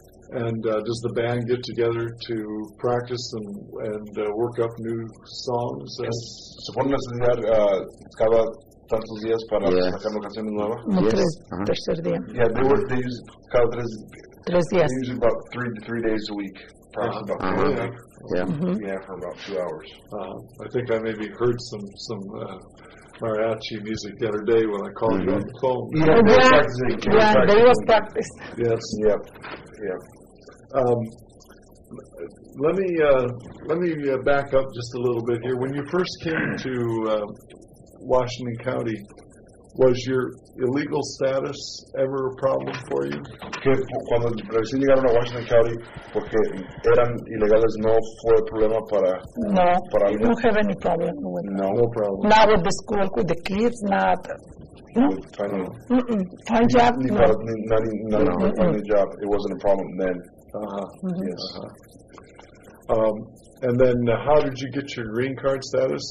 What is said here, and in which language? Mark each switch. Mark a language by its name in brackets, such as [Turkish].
[English] And does the band get together to practice and work up new songs? [Spanish] ¿Se ponen a estudiar cada tantos días para sacar canciones nuevas? Tercer día. [English] Yeah, they use [Spanish] cada tres días. [English] They use about three days a week. Practice about 3 days. Yeah. Mm-hmm. Yeah, for about 2 hours. I think I maybe heard some mariachi music the other day when I called you on the phone. Yeah, they practice. Yes. Yep. Yeah. Let me back up just a little bit here. When you first came to Washington County, was your illegal status ever a problem for you? [Spanish] Que cuando recién llegaron a Washington County, porque eran ilegales, no fue problema para [English] No have any problem with No problem. Not with the school, with the kids, not. Find a job. It wasn't a problem then. Uh-huh. Mm-hmm. Yes. Uh-huh. And then how did you get your green card status?